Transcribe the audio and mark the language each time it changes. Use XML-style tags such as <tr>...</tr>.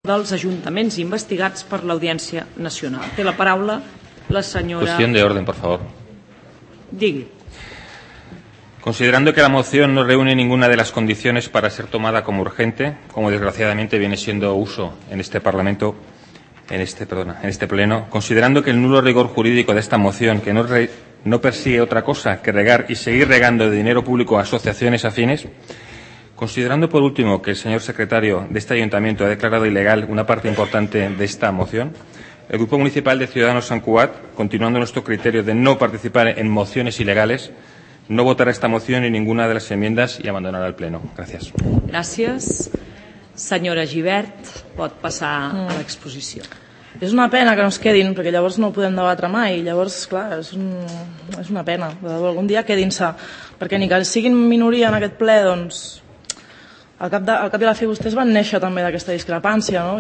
<ca>dels ajuntaments investigats per l'Audiència Nacional. Té la paraula la senyora... Qüestió d'ordre, per favor. Digui.</ca> <es>Considerando que la moción no reúne ninguna de las condiciones para ser tomada como urgente, como desgraciadamente viene siendo uso en este Parlamento, en este Pleno, considerando que el nulo rigor jurídico de esta moción, que no persigue otra cosa que regar y seguir regando de dinero público a asociaciones afines, considerando por último que el señor secretario de este Ayuntamiento ha declarado ilegal una parte importante de esta moción, el Grupo Municipal de Ciudadanos San Cugat, continuando nuestro criterio de no participar en mociones ilegales, no votará esta moción ni ninguna de las enmiendas y abandonará el Pleno. Gracias. Gracias.</es> <ca>Senyora Gibert, pot passar a l'exposició. És una pena que no es quedin, perquè llavors no ho podem debatre mai. Llavors, clar, és una pena. Algun dia quedin-se. Perquè ni que siguin minoria en aquest ple, doncs, al cap i a la fi vostès van néixer també d'aquesta discrepància, no?</ca>